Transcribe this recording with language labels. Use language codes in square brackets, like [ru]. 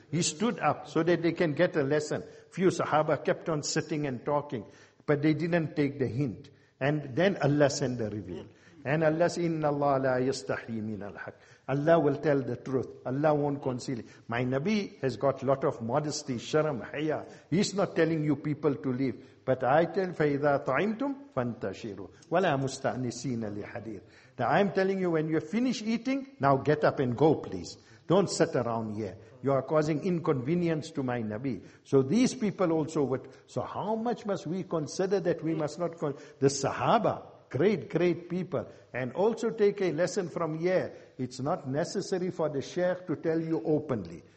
[en] He stood up so that they can get a lesson. Few sahaba kept on sitting and talking. But they didn't take the hint. And then Allah sent the reveal. And Allah says, [ar] Inna Allah la yastahi min al-haq. [en] Allah will tell the truth. Allah won't conceal it. My Nabi has got a lot of modesty, sharam, haya. He's not telling you people to leave. But I tell, [ar] فَإِذَا طَعِمْتُمْ فَانْتَشِرُوا وَلَا مُسْتَأْنِسِينَ لِحَدِيرٍ. [en] Now I'm telling you, when you finish eating, now get up and go, please. Don't sit around here. You are causing inconvenience to my Nabi. So these people also would. So how much must we consider that we must not call the Sahaba, great, great people. And also take a lesson from here. It's not necessary for the Shaykh to tell you openly.